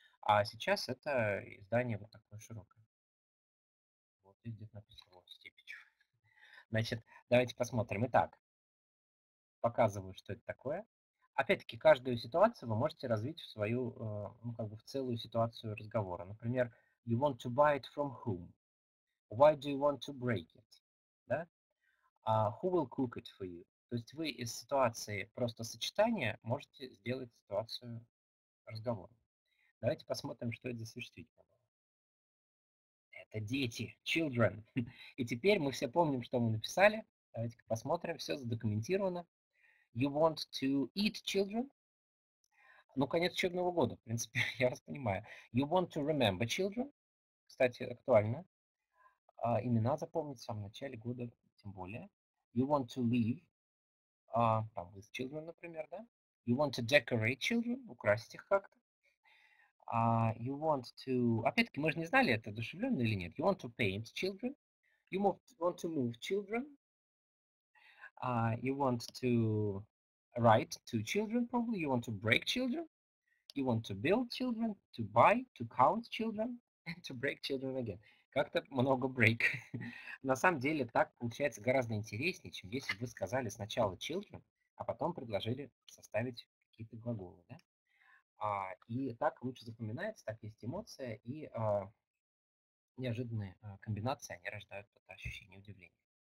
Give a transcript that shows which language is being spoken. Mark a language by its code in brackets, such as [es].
[ru] А сейчас это издание вот такое широкое. Вот здесь где-то написано, вот степень. Значит, давайте посмотрим. Итак, показываю, что это такое. Опять-таки, каждую ситуацию вы можете развить в свою, ну, как бы в целую ситуацию разговора. Например, [en] you want to buy it from whom? Why do you want to break it? [ru] Да? [en] Who will cook it for you? [ru] То есть вы из ситуации просто сочетания можете сделать ситуацию разговорной. Давайте посмотрим, что это за существительное было. Это дети, children. И теперь мы все помним, что мы написали. Давайте-ка посмотрим, все задокументировано. [en] You want to eat children? [ru] Ну, конец учебного года, в принципе, я вас понимаю. [en] You want to remember children? [ru] Кстати, актуально. Имена запомнить в самом начале года, тем более. [en] You want to leave. [ru] Там, [en] with children, [ru] например, да? [en] You want to decorate children, [ru] украсить их как-то. [en] You want to... [ru] Опять-таки, мы же не знали, это одушевленно или нет. [en] You want to paint children. You want to move children. You want to write to children, probably. You want to break children. You want to build children, to buy, to count children, and to break children again. [ru] Как-то много break. На самом деле так получается гораздо интереснее, чем если бы вы сказали сначала children, а потом предложили составить какие-то глаголы, да? И так лучше запоминается, так есть эмоция, и неожиданные комбинации, они рождают ощущение удивления.